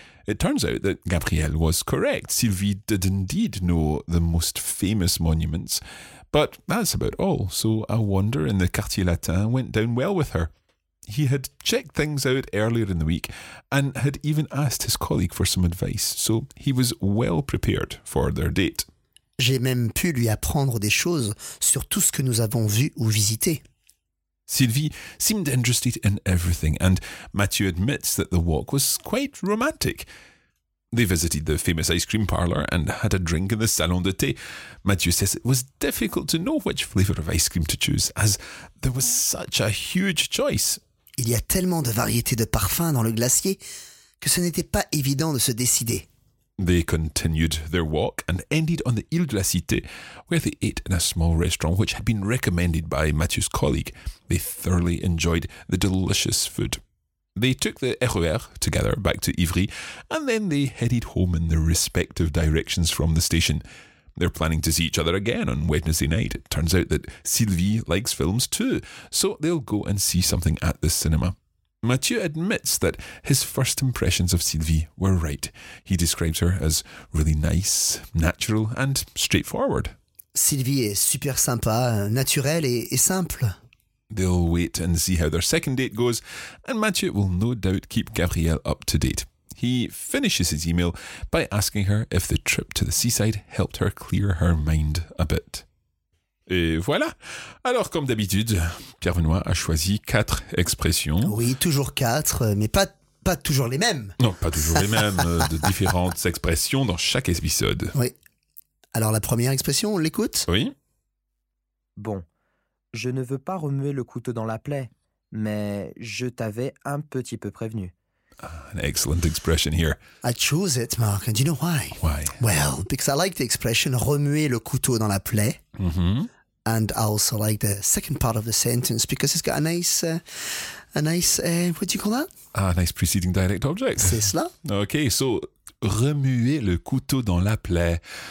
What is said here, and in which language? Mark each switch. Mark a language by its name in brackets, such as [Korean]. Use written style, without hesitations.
[English] It turns out that Gabrielle was correct. Sylvie did indeed know the most famous monuments. But that's about all, so a wander in the Quartier Latin went down well with her. He had checked things out earlier in the week and had even asked his colleague for some advice, so he was well prepared for their date. [French] J'ai même pu lui apprendre des choses sur tout ce que nous avons vu ou visité. [English] Sylvie seemed interested in everything, and Mathieu admits that the walk was quite romantic. They visited the famous ice cream parlour and had a drink in the Salon de Thé. Mathieu says it was difficult to know which flavour of ice cream to choose, as there was such a huge choice. [French] Il y a tellement de variétés de parfums dans le glacier que ce n'était pas évident de se décider. [English] They continued their walk and ended on the Île de la Cité, where they ate in a small restaurant which had been recommended by Mathieu's colleague. They thoroughly enjoyed the delicious food. They took the RER together back to Ivry, and then they headed home in their respective directions from the station. They're planning to see each other again on Wednesday night. It turns out that Sylvie likes films too, so they'll go and see something at the cinema. Mathieu admits that his first impressions of Sylvie were right. He describes her as really nice, natural and straightforward. [French] Sylvie est super sympa, naturelle et simple. [English] They'll wait and see how their second date goes, and Mathieu will no doubt keep Gabrielle up to date. He finishes his email by asking her if the trip to the seaside helped her clear her mind a bit. [French] Et voilà. Alors, comme d'habitude, Pierre Benoît a choisi quatre expressions. Oui, toujours quatre, mais pas toujours les mêmes. Non, pas toujours les mêmes, de différentes expressions dans chaque épisode. Oui. Alors, la première expression, on l'écoute ? Oui. Bon. Je ne veux pas remuer le couteau dans la plaie, mais je t'avais un petit peu prévenu. [English] An excellent expression here. I chose it, Mark, and do you know why? Why? Well, because I like the expression [French] remuer le couteau dans la plaie. Mm-hmm. [English] And I also like the second part of the sentence because it's got a nice, what do you call that? A nice preceding direct object. [French] C'est cela. [English] Okay, so [French] remuer le couteau dans la plaie.